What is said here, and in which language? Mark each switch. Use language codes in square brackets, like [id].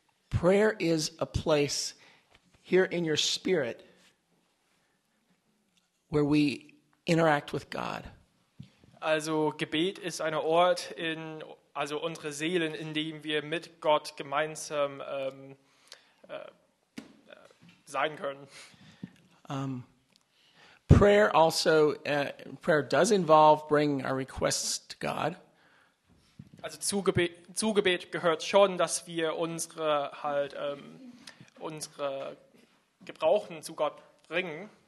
[en] Prayer is a place here in your spirit where we interact with God. [de] Also Gebet ist ein Ort in also unsere Seelen, in dem wir mit Gott gemeinsam sein können. [en] Prayer also, prayer does involve bringing our requests to God. [de] Also zu Gebet gehört schon, dass wir unsere halt unsere Gebrauchen zu Gott bringen.